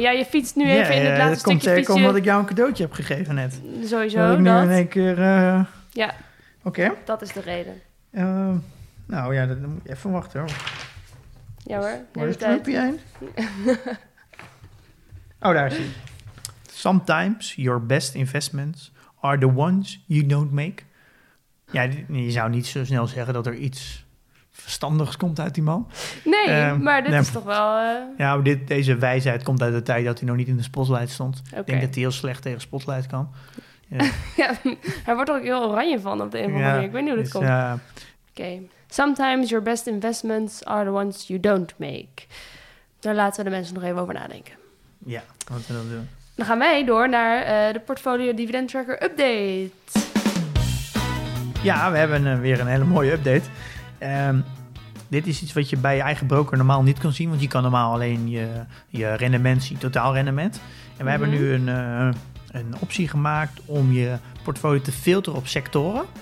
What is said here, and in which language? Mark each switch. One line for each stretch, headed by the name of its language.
Dutch: Ja, je fietst nu even in het laatste stukje fietsje. Dat komt omdat ik jou een cadeautje heb gegeven net. Sowieso, dat. Ik nu in één keer. Ja. Oké. Okay. Dat is de reden. Nou ja, dan moet je even wachten hoor. Ja hoor. Waar is Trumpie heen? Oh, daar is hij.
English: Sometimes your best investments are the ones you don't make.
Dutch: Ja, je zou niet zo snel zeggen dat er iets verstandigs komt uit die man. Nee, maar dit is toch wel... Ja, deze wijsheid komt uit de tijd dat hij nog niet in de spotlight stond. Okay. Ik denk dat hij heel slecht tegen spotlight kan. Ja, hij wordt er ook heel oranje van op de een of andere manier. Ik weet niet hoe dat komt. Oké.
English: Sometimes your best investments are the ones you don't make.
Dutch: Daar laten we de mensen nog even over nadenken. Ja, wat moeten we dan doen? Dan gaan wij door naar de Portfolio Dividend Tracker update. Ja, we hebben weer een hele mooie update. Dit is iets wat je bij je eigen broker normaal niet kan zien. Want je kan normaal alleen je rendement zien, totaal rendement. En we hebben nu een optie gemaakt om je portfolio te filteren op sectoren.